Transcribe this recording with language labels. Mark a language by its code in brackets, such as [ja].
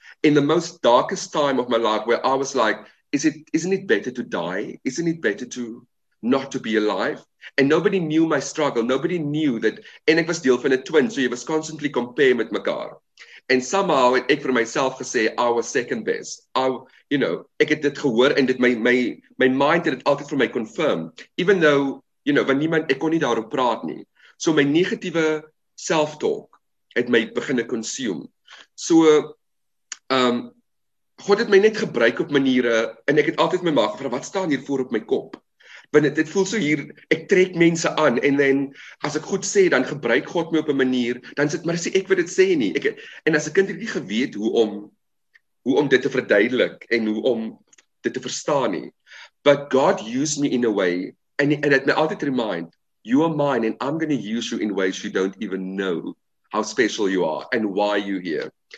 [en] In the most darkest time of my life where I was like, isn't it better to die? Isn't it better to not to be alive? And nobody knew my struggle. Nobody knew that, [af] en ek was deel van 'n twin, so jy was constantly compare met mekaar. [en] And somehow [af] ek vir myself gesê [en] I was second best. [af] Ek het dit gehoor en dit my mind het dit altyd vir my confirm. Even though, want niemand ek kon nie daarop praat nie. So my negatiewe self-talk het my begin consume. So God het my net gebruik op maniere en ek het altyd my maag gevra wat staan hier voor op my kop? Want dit voel so hier, ek trek mense aan en dan, as ek goed sê, dan gebruik God my op 'n manier, dan sê, maar sê ek wat dit sê nie. En as 'n kind het nie geweet hoe om dit te verduidelik en hoe om dit te verstaan nie. [en] But God used me in a way, and it may altyd remind, you are mine and I'm going to use you in ways you don't even know how special you are and why you here.